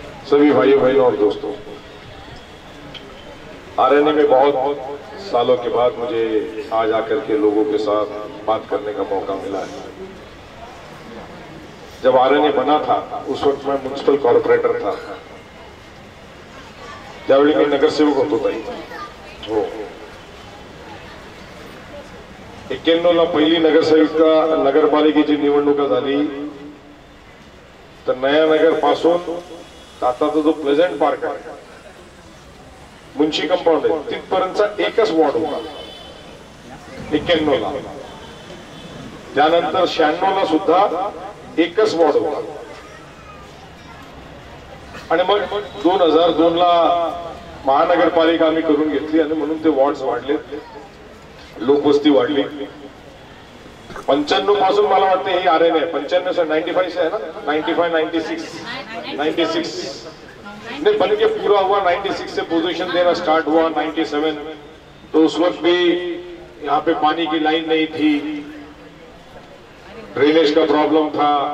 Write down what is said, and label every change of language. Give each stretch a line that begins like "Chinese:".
Hindi: सभी भाइयों बहनों और दोस्तों, आरएनए में बहुत सालों के बाद मुझे आज आकर के लोगों के साथ बात करने का मौका मिला है। जब आरएनए बना था उस वक्त मैं म्युनिसिपल कॉर्पोरेटर था,
Marathi: त्यावेळी मी नगर सेवक होतो। ताई 91 ला पहिली नगरसेविका नगरपालिकेची निवडणूक झाली, तर नया नगर पासून आताचा जो प्लेझंट पार्क आहे, मुंशी कंपाऊंड आहे, तिथपर्यंतचा एकच वॉर्ड होता 91 ला। त्यानंतर 96 ला सुद्धा एकच वॉर्ड होता, आणि मग 2002 ला महानगरपालिका आम्ही करून घेतली आणि म्हणून ते वॉर्ड्स वाढले, लोकवस्ती वाढली। 95 पासून मला वाटते ही आर एन ए,
Hindi: 95 से 95 से है ना, 95 96 96 बनके पूरा हुआ। 96 से पोजीशन देना स्टार्ट हुआ, 97 तो उस वक्त भी यहाँ पे पानी की लाइन नहीं थी, ड्रेनेज का प्रॉब्लम था,